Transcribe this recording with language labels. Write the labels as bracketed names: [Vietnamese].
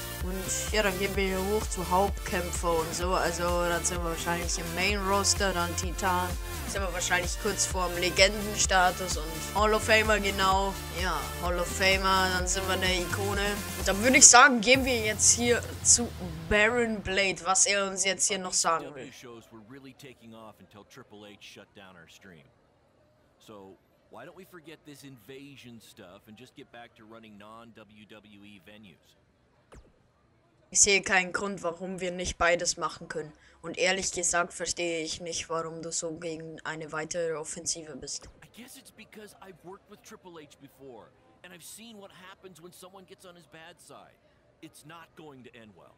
[German] Und ja, dann gehen wir hier hoch zu Hauptkämpfer und so. Also dann sind wir wahrscheinlich im Main Roster, dann Titan. Sind wir wahrscheinlich kurz vorm Legendenstatus und Hall of Famer, genau. Ja, Hall of Famer, dann sind wir eine Ikone. Und dann würde ich sagen, gehen wir jetzt hier zu Baron Blade, was er uns jetzt hier noch sagen will. [English] Shows were really taking off until Triple H shut down our stream. So, why don't we forget this invasion stuff and just get back to running non-WWE venues? [German] Ich sehe keinen Grund, warum wir nicht beides machen können. Und ehrlich gesagt verstehe ich nicht, warum du so gegen eine weitere Offensive bist. Ich glaube, es ist, weil ich mit Triple H vorher gearbeitet habe. Und ich habe gesehen, was passiert, wenn jemand auf seine schlechte Seite kommt. Es wird nicht gut enden.